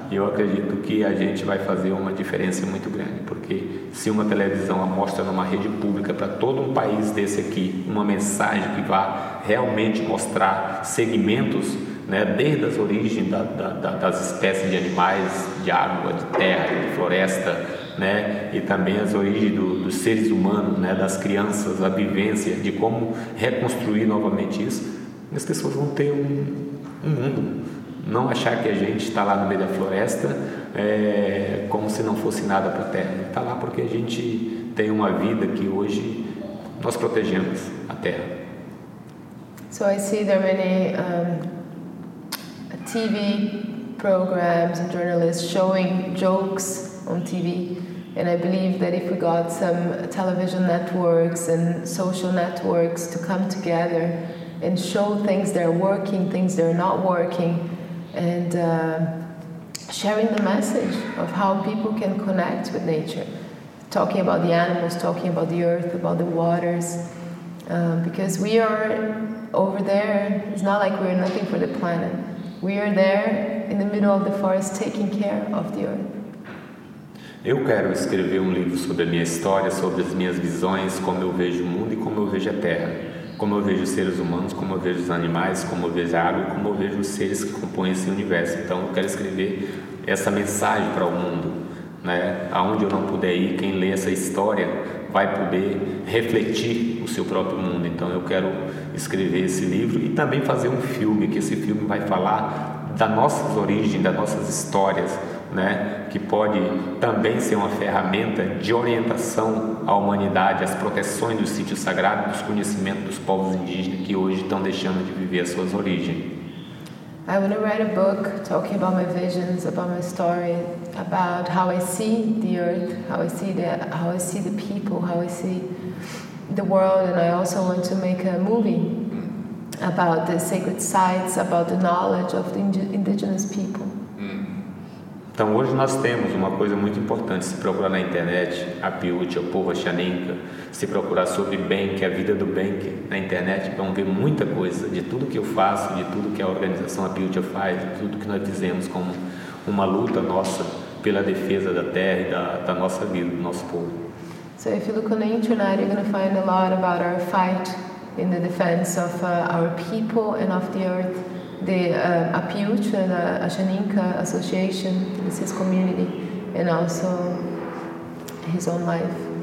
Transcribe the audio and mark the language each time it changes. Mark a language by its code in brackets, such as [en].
[pt] E eu acredito que a gente vai fazer uma diferença muito grande, porque se uma televisão mostra numa rede pública para todo um país desse aqui uma mensagem que vá realmente mostrar segmentos, né, desde as origens das espécies de animais, de água, de terra, de floresta, né, e também as origens dos seres humanos, né, das crianças, a vivência, de como reconstruir novamente isso, as pessoas vão ter um mundo. Não achar que a gente está lá no meio da floresta como se não fosse nada para a Terra. Está lá porque a gente tem uma vida que hoje nós protegemos a Terra. [en] So I see there are many TV programs and journalists showing jokes on TV, and I believe that if we got some television networks and social networks to come together and show things that are working, things that are not working, and sharing the message of how people can connect with nature, talking about the animals, talking about the earth, about the waters, because we are over there, it's not like we're nothing for the planet. We are there in the middle of the forest taking care of the earth. [pt] Eu quero escrever livro sobre a minha história, sobre as minhas visões, como eu vejo o mundo e como eu vejo a Terra. Como eu vejo os seres humanos, como eu vejo os animais, como eu vejo a água, como eu vejo os seres que compõem esse universo. Então eu quero escrever essa mensagem para o mundo, né? Aonde eu não puder ir, quem lê essa história vai poder refletir o seu próprio mundo. Então eu quero escrever esse livro e também fazer um filme, que esse filme vai falar das nossas origens, das nossas histórias, né? Que pode também ser uma ferramenta de orientação à humanidade, às proteções dos sítios sagrados, dos conhecimentos dos povos indígenas que hoje estão deixando de viver as suas origens. [en] I want to write a book talking about my visions, about my story, about how I see the earth, how I see the people, how I see the world, and I also want to make a movie about the sacred sites, about the knowledge of the indigenous people. [pt] Então hoje nós temos uma coisa muito importante: se procurar na internet a Piute, o povo Xaninka, se procurar sobre Benk, a vida do Benk na internet, vão ver muita coisa de tudo que eu faço, de tudo que a organização a Piute faz, de tudo que nós fizemos como uma luta nossa pela defesa da terra e da nossa vida, do nosso povo. [en] So if you look on the internet, you're going to find a lot about our fight in the defense of our people and of the earth. The Apiuche, the Xaninka Association, this is community, and also his own life.